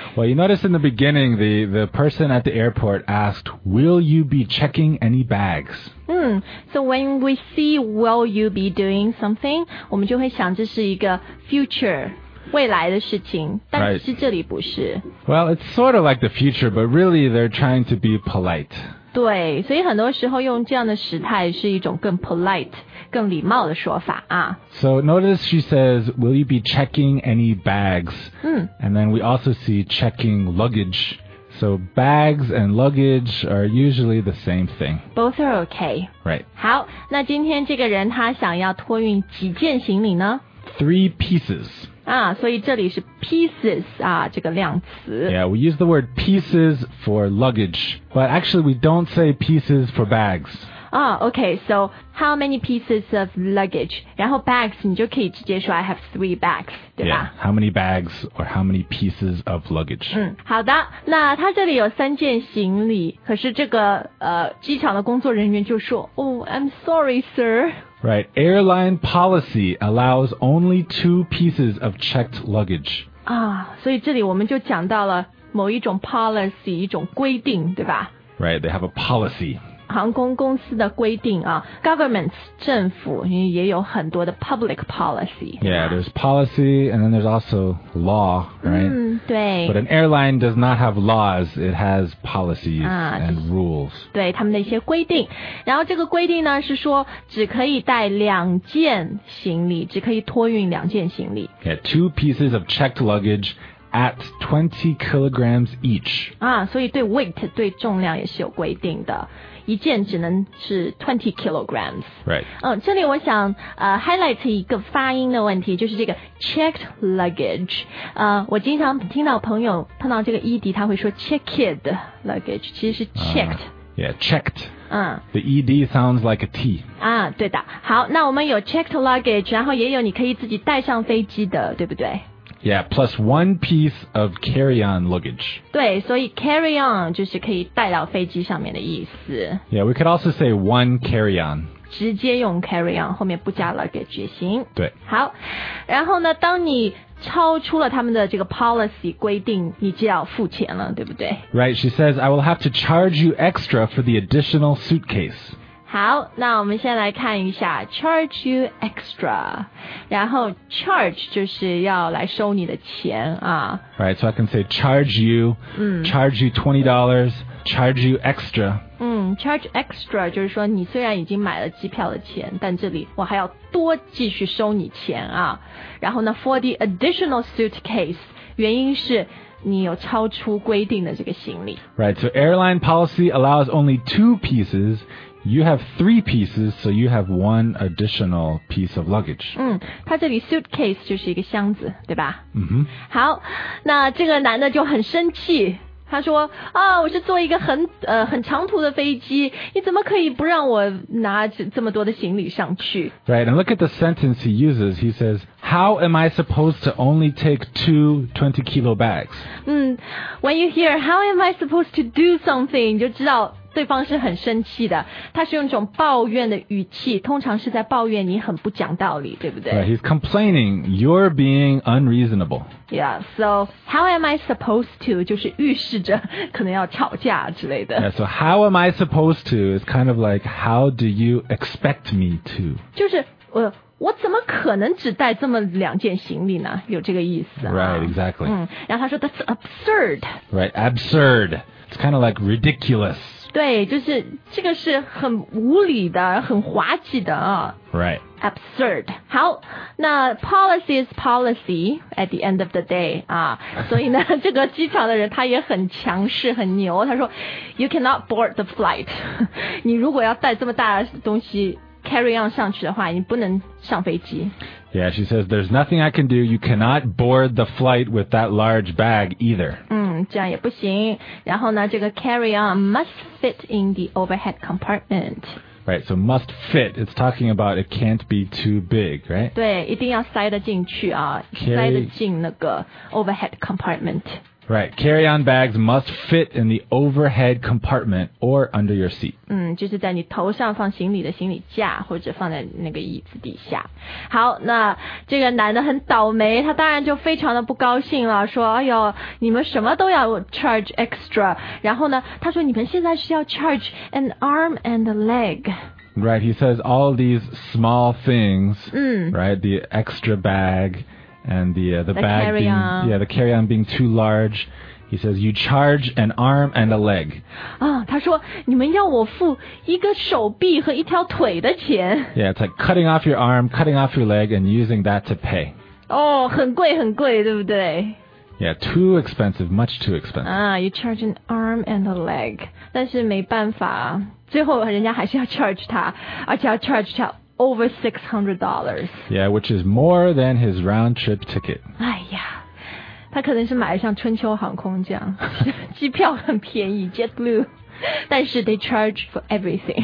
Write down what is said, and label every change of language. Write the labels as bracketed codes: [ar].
[en] Well, you notice in the beginning, the person at the airport asked, "Will you be checking any bags?" So when we see, "Will you be doing something?" [zh] 我们就会想这是一个 future. 未来的事情，但是这里不是。 [en] Right. Well, it's sort of like the future, but really they're trying to be polite. [zh] 对，所以很多时候用这样的时态是一种更 polite, 更礼貌的说法啊。 [en] So notice she says, will you be checking any bags? And then we also see checking luggage. So bags and luggage are usually the same thing. Both are okay. Right. [zh] 好，那今天这个人他想要托运几件行李呢？ [en] 3 pieces. [zh] 所以这里是 pieces 啊，这个量词。 [en] Yeah, we use the word pieces for luggage, but actually we don't say pieces for bags. Okay, so how many pieces of luggage? [zh] 然后 bags 你就可以直接说 [en] I have 3 bags, [zh] 对吧？ [en] Yeah, how many bags or how many pieces of luggage? [zh] 好的，那他这里有3件行李，可是这个机场的工作人员就说 [en] Oh, I'm sorry, sir. Right, airline policy allows only 2 pieces of checked luggage. [zh] 所以这里我们就讲到了某一种 policy, 一种规定，对吧？ [en] Right, they have a policy. [zh] 航空公司的规定啊 governments, 政府也有很多的 public policy. [en] Yeah, there's policy and then there's also law, right? [zh] 对。 [en] But an airline does not have laws, it has policies and rules. [zh] 对，他们的一些规定。然后这个规定呢是说只可以带2件行李，只可以托运2件行李。 [en] Yeah, 2 pieces of checked luggage at 20 kilograms each. [zh] 所以对 weight, 对重量也是有规定的。一件只能是 20 kilograms. [en] Right. [zh] 这里我想highlight 一个发音的问题，就是这个 checked luggage. 我经常听到朋友碰到这个 ED, 他会说 checked luggage, 其实是 checked. [en] Yeah, checked. The ED sounds like a T. [zh] 对的。好，那我们有 checked luggage, 然后也有你可以自己带上飞机的，对不对？ [en] Yeah, plus 1 piece of carry-on luggage. [zh] 对，所以 carry-on 就是可以带到飞机上面的意思。 [en] Yeah, we could also say 1 carry-on. [zh] 直接用 carry-on, 后面不加 luggage 也行。对。好，然后呢，当你超出了他们的这个 policy 规定，你就要付钱了，对不对？ [en] Right, she says, I will have to charge you extra for the additional suitcase. [zh] 好，那我们先来看一下 [en] charge you extra, [zh] 然后 charge 就是要来收你的钱啊。 [en] Right, so I can say charge you, charge you $20, charge you extra. [zh] charge extra 就是说你虽然已经买了机票的钱，但这里我还要多继续收你钱啊。然后呢 [en] for the additional suitcase， [zh] 原因是你有超出规定的这个行李。 [en] Right, so airline policy allows only two pieces. You have three pieces, so you have one additional piece of luggage. [zh] 嗯，它这里 suitcase 就是一个箱子，对吧？嗯哼。好，那这个男的就很生气，他说啊，我是坐一个很长途的飞机，你怎么可以不让我拿这么多的行李上去？ [en] Right, and look at the sentence he uses. He says, how am I supposed to only take two 20 kilo bags? When you hear, how am I supposed to do something, [zh] 就知道对方是很生气的，他是用一种抱怨的语气，通常是在抱怨你很不讲道理，对不对？ [en] Right, he's complaining, you're being unreasonable. Yeah, so how am I supposed to [zh] 就是预示着可能要吵架之类的。 [en] Yeah, so how am I supposed to is kind of like, how do you expect me to? [zh] 就是我怎么可能只带这么两件行李呢？有这个意思、啊、 [en] Right, exactly. [zh] 嗯，然后他说 [en] that's absurd. Right, absurd. It's kind of like ridiculous. [zh] 对，就是这个是很无理的，很滑稽的啊。 [en] Right. Absurd. [zh] 好，那 [en] policy is policy at the end of the day 啊。 [zh] 所以呢，这个机场的人他也很强势，很牛。他说 [en] ，You cannot board the flight. [zh] 你如果要带这么大的东西 carry on 上去的话，你不能上飞机。 [en] Yeah, she says there's nothing I can do. You cannot board the flight with that large bag either. [zh] 嗯，这样也不行。然后呢，这个 [en] carry on must fit in the overhead compartment. Right, so must fit. It's talking about it can't be too big, right? [zh] 对，一定要塞得进去啊， [en] carry, [zh] 塞得进那个 overhead compartment. [en] Right, carry on bags must fit in the overhead compartment or under your seat. [zh] 嗯，就是在你头上放行李的行李架，或者放在那个椅子底下。好，那这个男的很倒霉，他当然就非常的不高兴了，说哎呦，你们什么都要 charge extra. 然后呢，他说你们现在是要 [en] charge an arm and a leg. Right, he says all these small things, right, the extra bag,And the bag being, yeah, the carry-on being too large. He says, you charge an arm and a leg. [zh] 啊，他说，你们要我付一个手臂和一条腿的钱。 [en] Yeah, it's like cutting off your arm, cutting off your leg, and using that to pay. [zh] 哦，很贵很贵，对不对？ [en] Yeah, too expensive, much too expensive. 啊，you charge an arm and a leg. [zh] 但是没办法，最后人家还是要 charge 他，而且要 charge 他。 [en] Over $600. Yeah, which is more than his round trip ticket. [zh] 哎呀，他可能是买了像春秋航空这样，机票很便宜 ，JetBlue， 但是 [en] they charge for everything.